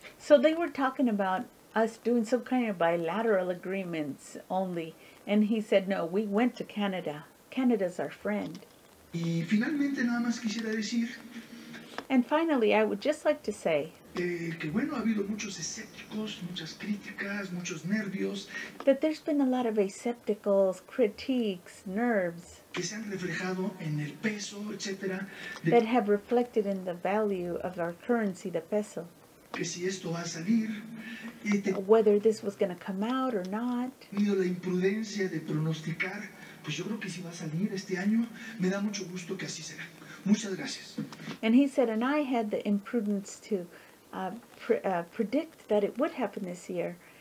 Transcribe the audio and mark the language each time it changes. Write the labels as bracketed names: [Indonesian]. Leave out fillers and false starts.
[English] so they were talking about us doing some kind of bilateral agreements only. And he said, no, we went to Canada. Canada's our friend. [Spanish] Y finalmente nada más quisiera decir. [English] And finally, I would just like to say. [Spanish] Que bueno, ha habido muchos escépticos, muchas críticas, muchos nervios. [English] That there's been a lot of escépticos, critiques, nerves. [Spanish] Que se han reflejado en el peso, etcétera. [English] That have reflected in the value of our currency, the peso. [Spanish] Que si esto va a salir. [English] Whether this was going to come out or not. [Spanish] Tenido la imprudencia de pronosticar. Pues yo creo que si va a salir este año, me da mucho gusto que así será. Muchas gracias. [English] And he said, and I had the imprudence to predict that it would happen this year.